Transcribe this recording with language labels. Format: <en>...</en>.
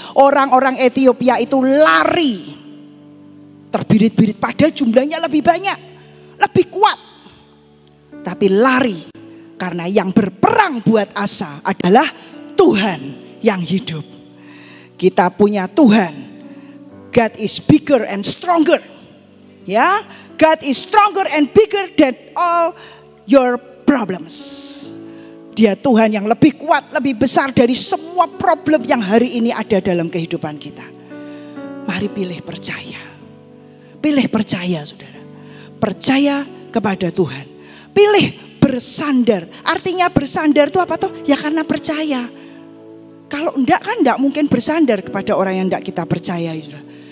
<id>Orang-orang Ethiopia itu lari terbirit-birit, padahal jumlahnya lebih banyak, lebih kuat. Tapi lari karena yang berperang buat Asa adalah Tuhan yang hidup. Kita punya Tuhan.</id> <en>God is bigger and stronger.</en> <id>Ya,</id> <en>God is stronger and bigger than all your problems.</en> <id>Dia Tuhan yang lebih kuat, lebih besar dari semua problem yang hari ini ada dalam kehidupan kita. Mari pilih percaya. Pilih percaya, saudara. Percaya kepada Tuhan. Pilih bersandar. Artinya bersandar itu apa tuh? Ya karena percaya. Kalau enggak kan enggak mungkin bersandar kepada orang yang enggak kita percayai, saudara.</id>